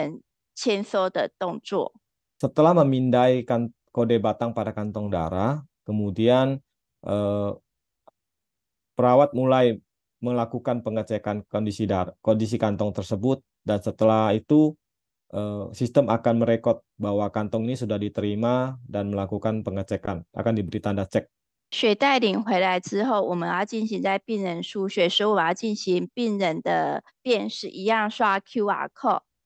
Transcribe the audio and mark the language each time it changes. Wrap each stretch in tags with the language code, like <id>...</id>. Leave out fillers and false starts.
<zh>那这个系统看一下，它就是从血袋签收，然后血袋之后刷条码之后，那自动它帮你点选现在这一个病人他要血的血袋一次回来的剂量，那就可以完成签收的动作。</zh> <id>Setelah memindai kode batang pada kantong darah, kemudian perawat mulai melakukan pengecekan kondisi darah, kondisi kantong tersebut, dan setelah itu sistem akan merekod bahwa kantong ini sudah diterima dan melakukan pengecekan. Akan diberi tanda cek.</id> <zh>血袋领回来之后，我们要进行在病人输血，所以我们要进行病人的辨识，一样刷 QR code。</zh>